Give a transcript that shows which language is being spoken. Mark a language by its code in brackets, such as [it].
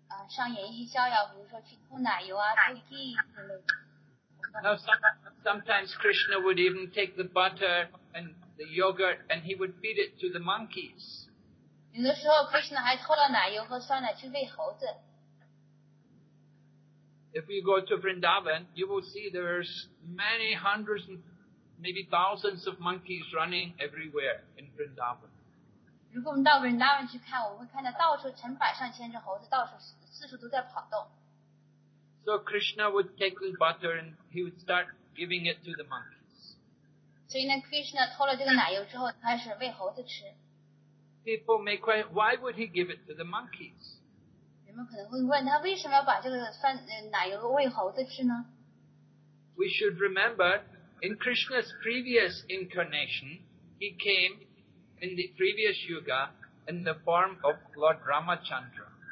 [zh] 上演一些逍遥，比如说去偷奶油啊，偷 ghee 之类的。 [en] Now sometimes Krishna would even take the butter and the yogurt and he would feed it to the monkeys. [zh] 有的时候 Krishna 还偷了奶油和酸奶去喂猴子。 [en] If you go to Vrindavan, you will see there's many hundreds, maybe thousands of monkeys running everywhere in Vrindavan. [zh] 如果我们到 Vrindavan 去看，我们会看到到处成百上千只猴子，到处四处都在跑动。 [en] So Krishna would take the butter and he would start giving it to the monkeys. [zh] 所以呢 ，Krishna 偷了这个奶油之后，开始喂猴子吃。 [en] People may question, why would he give it to the monkeys? [zh] 人们可能会问他为什么要把这个奶油喂猴子吃呢 [en] ？We should remember, in Krishna's previous incarnation, he came. In the previous yuga, in the form of Lord Ramachandra.